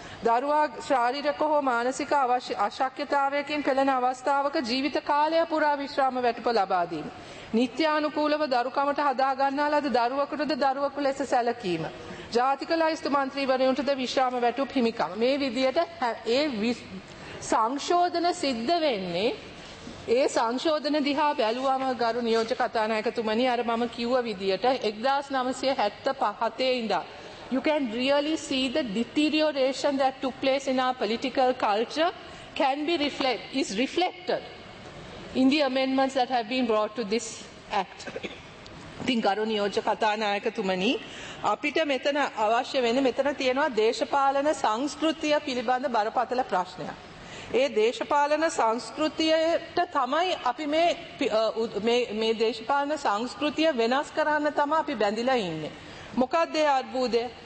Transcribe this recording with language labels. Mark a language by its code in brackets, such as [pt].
[si] දරුවා ශාරීරික හෝ මානසික අශක්්‍යතාවයකින් පෙළෙන අවස්ථාවක ජීවිත කාලය පුරා විශ්‍රාම වැටුප ලබා දීම. නිත්‍යානුකූලව දරුකමට හදා ගන්නා ලද දරුවකටද දරුවකු ලෙස සැලකීම. ජාතික ලයිස්තු මන්ත්‍රීවරයුන්ටද විශ්‍රාම වැටුප් හිමිකම්. මේ විදියට ඒ සංශෝධන සිද්ධ වෙන්නේ ඒ සංශෝධන දිහා බැලුවම ගරු නියෝජ්‍ය කතානායකතුමනි අර මම කිව්ව විදියට 1975 ඉඳන් [en] you can really see the deterioration that took place in our political culture can be reflected in the amendments that have been brought to this act. [si] ඉතින් ගරු නියෝජ්‍ය කතානායකතුමනි අපිට මෙතන අවශ්‍ය වෙන්නේ මෙතන තියෙනවා දේශපාලන සංස්කෘතිය පිළිබඳ බරපතල ප්‍රශ්නයක්. ඒ දේශපාලන සංස්කෘතියට තමයි අපි මේ දේශපාලන සංස්කෘතිය වෙනස් කරන්න තමයි අපි බැඳිලා ඉන්නේ. මොකක්ද ඒ අද්භූතය?